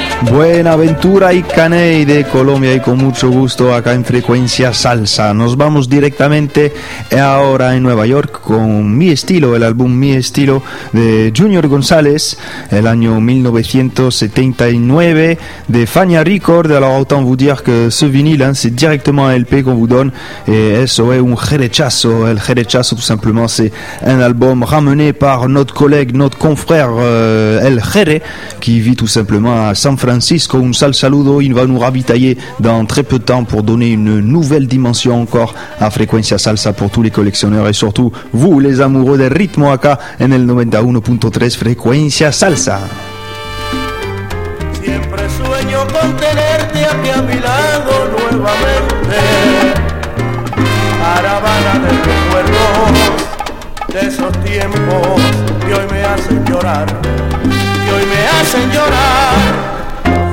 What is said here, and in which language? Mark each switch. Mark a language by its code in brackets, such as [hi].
[es] Buenaventura y Caney de Colombia, y con mucho gusto acá en Frecuencia Salsa. Nos vamos directamente ahora en Nueva York con Mi Estilo, el álbum Mi Estilo de Junior González, el año 1979 de Fania Records. [fr] Alors autant vous dire que ce vinyle, hein, c'est directement un LP qu'on vous donne, et [es] eso es un jerechazo. [fr] El jerechazo, tout simplement, c'est un album ramené par notre collègue, notre confrère, El Jere, qui vit tout simplement à San Francisco. [es] Un sal saludo, [fr] il va nous ravitailler dans très peu de temps pour donner une nouvelle dimension encore à Frecuencia Salsa pour tous les collectionneurs et surtout vous les amoureux des rythmes [es] acá en el [fr] 91.3 Frecuencia Salsa. [es] Siempre sueño con tenerte aquí a mi lado nuevamente. Caravana de recuerdos de esos tiempos que hoy me hacen llorar. Hacen llorar,